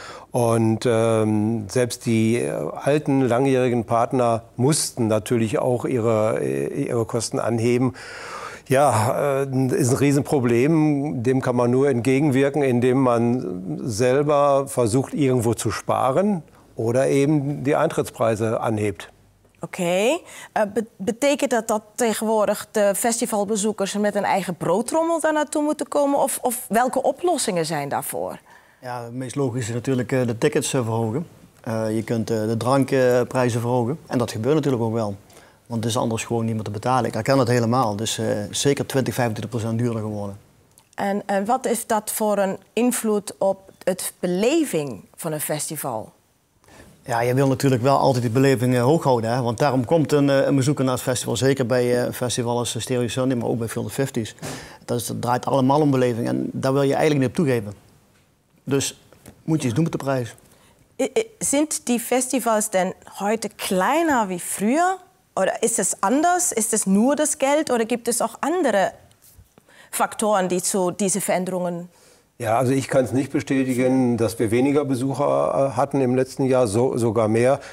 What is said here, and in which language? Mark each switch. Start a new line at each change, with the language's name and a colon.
German: Und selbst die alten, langjährigen Partner mussten natürlich auch ihre Kosten anheben. Ja, ist ein Riesenproblem. Dem kann man nur entgegenwirken, indem man selber versucht, irgendwo zu sparen oder eben die Eintrittspreise anhebt. Okay.
Dutch: Betekent dat dat tegenwoordig de festivalbezoekers met een eigen broodtrommel daar naartoe moeten komen? Of welke oplossingen zijn daarvoor? Ja, het meest logische is natuurlijk de tickets verhogen. Je kunt de drankprijzen verhogen. En dat gebeurt natuurlijk ook wel. Want het is anders gewoon niet meer te betalen. Ik herken het helemaal. Het is zeker 20-25% duurder geworden. En wat is dat voor een invloed op het beleving van een festival? Ja, je wil natuurlijk wel altijd die beleving hoog houden. Hè? Want daarom komt een bezoeker naar het festival. Zeker bij festivals als Stereo Sunday, maar ook bij Feel the 50s. Dat draait allemaal om beleving. En daar wil je eigenlijk niet op toegeven. Dus moet je iets doen met de prijs.
German: Sind die festivals denn heute kleiner wie früher? Oder ist es anders? Ist es nur das Geld? Oder gibt es auch andere Faktoren, die zu diesen Veränderungen Ja, also ich kann es nicht bestätigen, dass wir weniger Besucher hatten im letzten Jahr, sogar mehr.